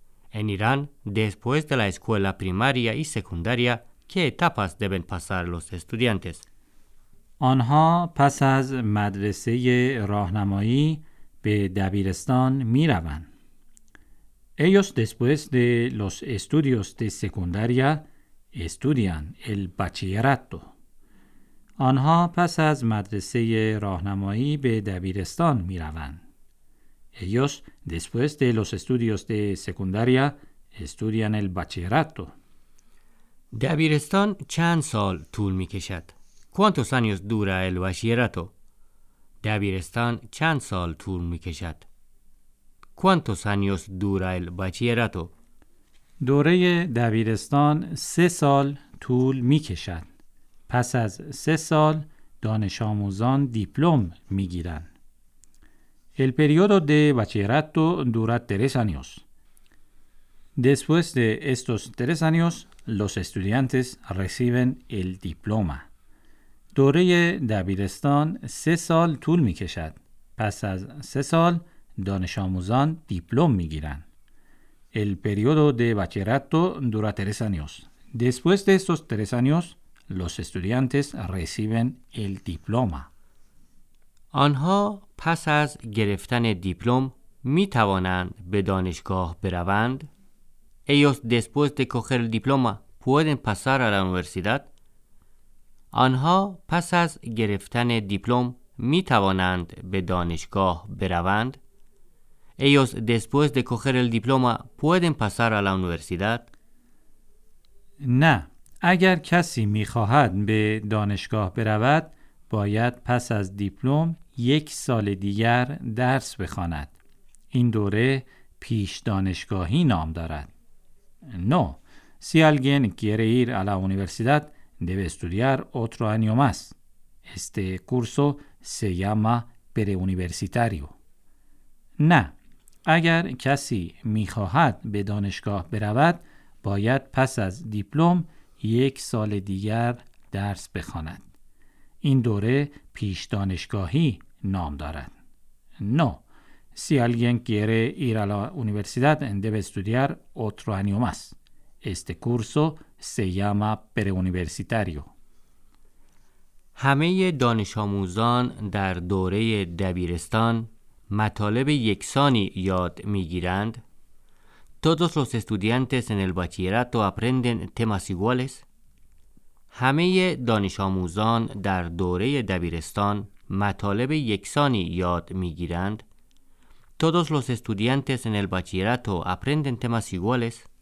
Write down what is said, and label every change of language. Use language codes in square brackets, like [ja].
[es] En Irán, después de la escuela primaria y secundaria, ¿qué etapas deben pasar los estudiantes? [fa] Anha pasas madrese rohnamoi be dabirestan miravan. [es] Ellos después de los estudios de secundaria estudian el bachillerato. [fa] آنها پس از مدرسه راهنمایی به دبیرستان می روند. [es] Ellos después de los estudios de secundaria estudian el bachillerato. [fa] دبیرستان چند سال طول می کشد؟ [es] ¿Cuántos años dura el bachillerato? [fa] دبیرستان چند سال طول می کشد؟ [es] ¿Cuántos años dura el bachillerato? [fa] دوره دبیرستان 3 سال طول می‌کشد. پس از 3 سال دانش آموزان دیپلم می‌گیرند. [es] El periodo de bachillerato dura 3 años. Después de estos 3 años, los estudiantes reciben el diploma. [fa] دوره دبیرستان 3 سال طول می‌کشد. پس از 3 سال دانش آموزان دیپلم می گیرن. [es] El periodo de bachillerato dura 3 años. Después de estos 3 años, los estudiantes reciben el diploma. [fa] آنها پس از گرفتن دیپلم می توانند به دانشگاه بروند؟ [es] Ellos después de coger el diploma pueden pasar a la universidad? [fa] آنها پس از گرفتن دیپلم می توانند به دانشگاه بروند؟ [es] Ellos después de coger el diploma pueden pasar a la universidad? [fa] نه، اگر کسی می‌خواهد به دانشگاه برود، باید پس از دیپلم یک سال دیگر درس بخواند. این دوره پیش دانشگاهی نام دارد. [es] No, si alguien quiere ir a la universidad debe estudiar otro año más. Este curso se llama preuniversitario. [fa] نه. اگر کسی می‌خواهد به دانشگاه برود، باید پس از دیپلم یک سال دیگر درس بخواند. این دوره پیش دانشگاهی نام دارد. [es] No. Si alguien quiere ir a la universidad debe estudiar otro año más. Este curso se llama preuniversitario. [fa] همه دانش آموزان در دوره دبیرستان مطالب یکسانی یاد می گیرند؟ [es] Todos los estudiantes en el bachillerato aprenden temas iguales? [fa] همه دانش آموزان در دوره دبیرستان مطالب یکسانی یاد می گیرند؟ [es] Todos los estudiantes en el bachillerato aprenden temas iguales?